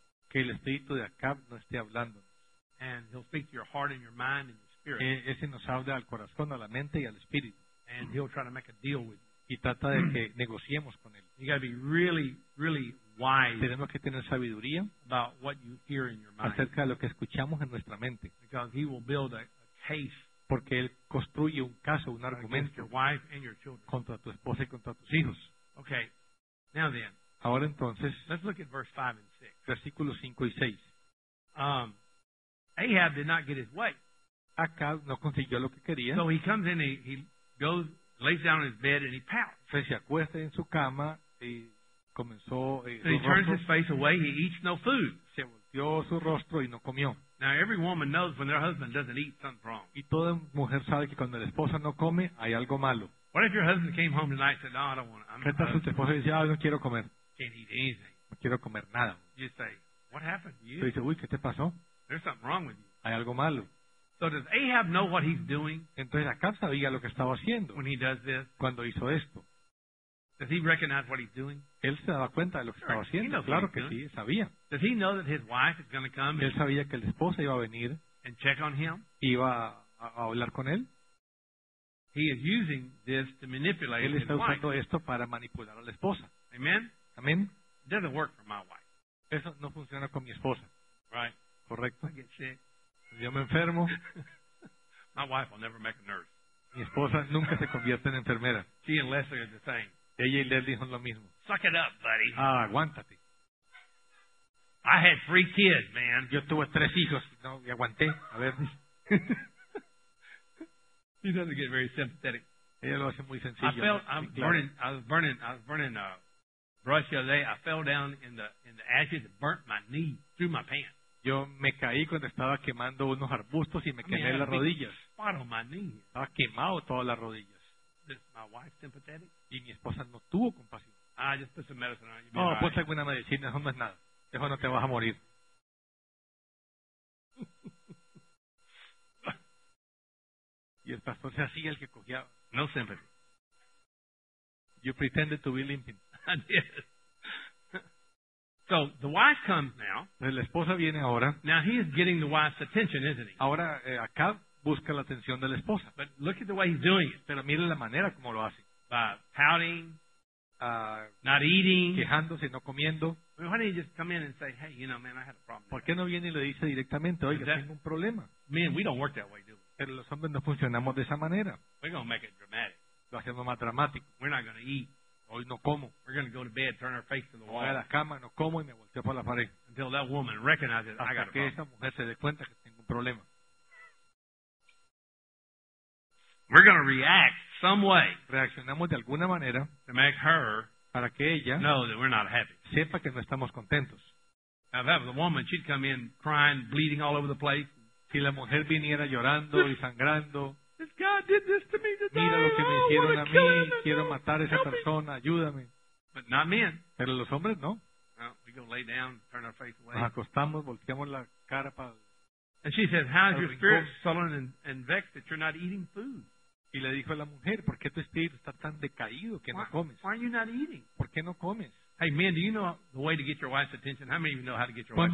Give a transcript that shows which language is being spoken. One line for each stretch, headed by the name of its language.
Spanish: Que el espíritu de Acab no esté hablando.
English: And he'll speak to your heart and your mind and your spirit.
Spanish: Ese nos habla al corazón, a la mente y al espíritu.
English: And he'll try to make a deal with you.
Spanish: Y trata de que negociemos con él.
English: You got to be really, really wise.
Spanish: Tenemos que tener sabiduría
English: about what you hear in your mind.
Spanish: Acerca de lo que escuchamos en nuestra mente.
English: Because he will build a case
Spanish: Porque él construye un caso, un argumento contra tu esposa y contra tus hijos.
English: Okay. Now then,
Spanish: ahora entonces,
English: let's look at verse 5 and 6.
Spanish: Versículos 5 y 6.
English: Ahab did not get his way.
Spanish: Acab no consiguió lo que quería.
English: So he comes in, he goes, lays down in his bed, and he pouts.
Spanish: Se acuesta en su cama y comenzó.
English: So he turns his face away. He eats no food.
Spanish: Se volteó su rostro y no comió.
English: Now every woman knows when their husband doesn't eat, something's wrong.
Spanish: Y toda mujer sabe que cuando la esposa no come, hay algo malo.
English: What if your husband came home tonight and said, "No, I don't want to."
Spanish: Tu esposa dice, "No quiero comer."
English: Can't eat anything.
Spanish: No quiero comer nada.
English: You say, "What happened to you?"
Spanish: Tú dices, "Uy, ¿qué te pasó?"
English: There's something wrong with you.
Spanish: Hay algo malo.
English: So does Ahab know what he's doing?
Spanish: Entonces Acab sabía lo que estaba haciendo.
English: When he does this,
Spanish: cuando hizo esto.
English: Does he recognize what he's doing?
Spanish: Él se daba cuenta de lo que estaba haciendo. Claro que sí, sabía.
English: Does he know that his wife is going to come?
Spanish: Él sabía que la esposa iba a venir.
English: And check on him.
Spanish: Iba a hablar con él.
English: He is using this to manipulate his wife.
Spanish: Él está usando esto para manipular a la esposa.
English: Amen.
Spanish: Amen.
English: It doesn't work for my wife.
Spanish: Eso no funciona con mi esposa.
English: Right.
Spanish: Correcto.
English: I get sick.
Spanish: Yo me enfermo.
English: My wife will never make a nurse.
Spanish: Mi esposa nunca se convierte en enfermera.
English: She and Leslie are the same.
Spanish: Ella y Leslie son lo mismo.
English: Suck it up, buddy.
Spanish: Ah, aguántate.
English: I had 3 kids, man.
Spanish: Yo tuve 3 hijos. No, y aguanté. A ver.
English: He doesn't get very sympathetic.
Spanish: Ella lo hace muy sencillo.
English: I felt, I'm
Spanish: sí, claro.
English: Burning, I was burning a brush the other day. I fell down in the ashes and burnt my knee through my pants.
Spanish: Yo me caí cuando estaba quemando unos arbustos y me quemé las rodillas. Estaba quemado todas las rodillas.
English: My wife sympathetic?
Spanish: Y mi esposa no tuvo compasión.
English: Ah, just put some medicine on.
Spanish: No,
English: right.
Spanish: Puse alguna medicina, eso no es nada. Eso no te vas a morir. Y el pastor se hacía el que cogía.
English: No sympathy. You pretended to be limping. I did. So the wife comes now.
Spanish: La esposa viene ahora.
English: Now he is getting the wife's attention, isn't he?
Spanish: Ahora Acab busca la atención de la esposa.
English: But look at the way he's doing it.
Spanish: Pero mire la manera como lo hace.
English: By pouting, not eating,
Spanish: quejándose, no comiendo.
English: I mean, why don't you just come in and say, "Hey, you know, man, I had a problem."
Spanish: ¿Por qué no viene y le dice directamente, "Oiga, tengo un problema"?
English: Man, we don't work that way, do we?
Spanish: Pero los hombres no funcionamos de esa manera.
English: We're gonna make it dramatic.
Spanish: Lo hacemos más dramático.
English: We're not gonna eat.
Spanish: Hoy no como.
English: We're going to go to bed, turn our face to the wall.
Spanish: Voy a la cama, no como y me volteo para la pared.
English: Until that woman recognizes,
Spanish: hasta
English: I got a
Spanish: que esa mujer se dé cuenta que tengo un problema.
English: We're going to react some way.
Spanish: Reaccionamos de alguna manera
English: to make her
Spanish: para que ella
English: know that we're not happy.
Spanish: Sepa que no estamos contentos.
English: Now, if that was a woman, she'd come in crying, bleeding all over the place.
Spanish: Si la mujer viniera llorando y sangrando.
English: This God did this to me today.
Spanish: Mira lo que me hicieron oh, a mí. Quiero matar a esa persona. Ayúdame.
English: But not men.
Spanish: Pero los hombres no.
English: Well, we go lay down, turn our face away.
Spanish: Nos acostamos, volteamos la cara para.
English: And she said, "How is your spirit sullen and vexed that you're not eating food?"
Spanish: Y le dijo a la mujer, ¿por qué tu espíritu está tan decaído que
English: why,
Spanish: no comes?
English: Why are you not eating?
Spanish: ¿Por qué no comes?
English: Hey, men, do you know the way to get your wife's attention? How many of you know how to get your wife's